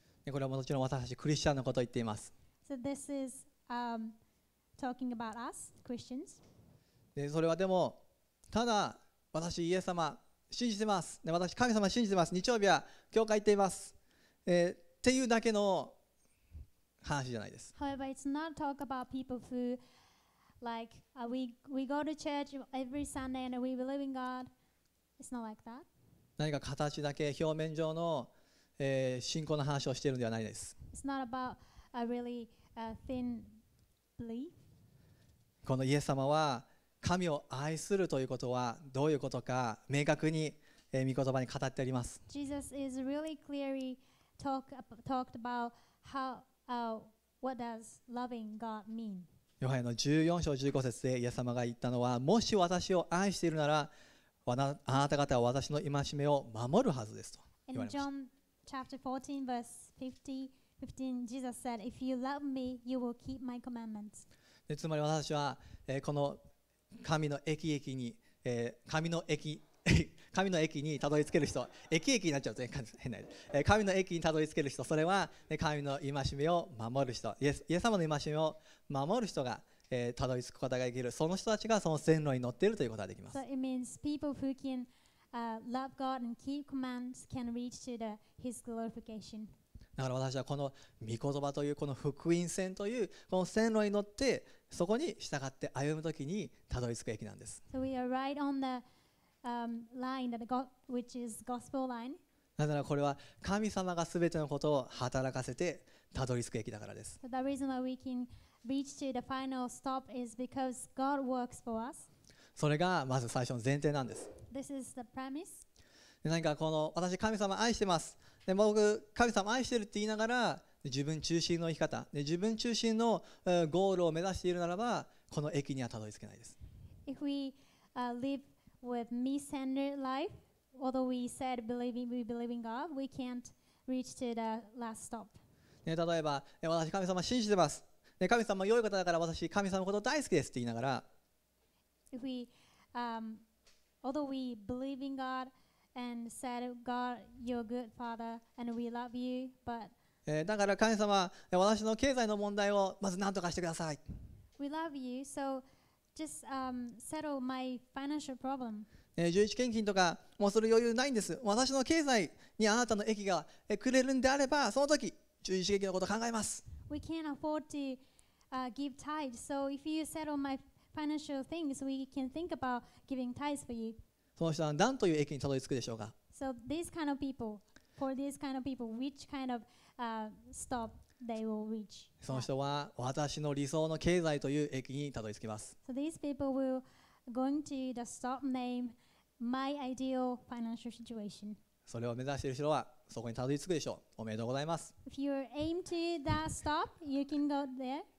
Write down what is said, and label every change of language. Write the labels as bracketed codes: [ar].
[ja] これはもちろん私たちクリスチャンのことを言っています。 [en] So this is talking about us, Christians. [ja] で、それはでもただ私イエス様信じてます。で、私神様信じてます。日曜日は教会行っています。っていうだけの話じゃないです。 [en] However, it's not talk about people who like we go to church every Sunday and we believe in God. It's not like that. [ja] 何か形だけ表面上の、信仰の話をしているのではないです。 [en] It's not about a really thin belief. [ja] このイエス様は神を愛するということはどういうことか明確に、御言葉に語っております。 [en] Jesus is really clearly talked about how what does loving God mean? [ja] ヨハネの14章15節でイエス様が言ったのは、もし私を愛しているなら、あなた方は私の戒めを守るはずですと言われました。 [en] In John chapter 14 verse 15, Jesus said, "If you love me, you will keep my commandments." [ja] つまり私は、この神の益益に、神の益神の益にたどり着ける人、益益になっちゃうと変な、神の益にたどり着ける人、それは、ね、神の戒めを守る人、イエス様の戒めを守る人が、たどり着くことができる、その人たちがその線路に乗っているということができます。 [en] So it means people who can love God and keep commands can reach to the His glorification. [ja] だから私はこの御言葉というこの福音線というこの線路に乗ってそこに従って歩むときにたどり着く駅なんです。 [en] So we are right on theline that God, which is gospel line. [ja] なぜならこれは神様がすべてのことを働かせてたどり着く駅だからです。 [en] The reason why we can reach to the final stop is because God works for us. [ja] それがまず最初の前提なんです。 [en] This is the premise. [ja] で、何かこの私神様愛してます。で、僕神様愛してるって言いながら自分中心の生き方、自分中心のゴールを目指しているならば、この駅にはたどり着けないです。 [en] If we liveWith me-centered life, although we said we believe in God, we can't reach to the last stop. [ja] 例えば、私神様信じてます。神様良い方だから私神様のこと大好きですって言いながら、 [en] If we, although we believe in God and said God, you're a good father and we love you, but [ja] だから神様、私の経済の問題をまず何とかしてください。 [en] We love you, soJust settle my financial problem. [ja] 11献金とかもうする余裕ないんです。私の経済にあなたの益がくれるんであれば、その時11献金のことを考えます。 [en] We can't afford to give tithes, so if you settle my financial things, we can think about giving tithes for you. [ja] その人は何という益にたどり着くでしょうか。 [en] So these kind of people, for these kind of people, which kind of stop they will reach. [ja] その人は私の理想の経済という駅にたどり着きます。 [en] So these people will going to the stop name my ideal financial situation. [ja] それを目指している人はそこにたどり着くでしょう。おめでとうございます。 [en] If you aim to that stop, you can go there.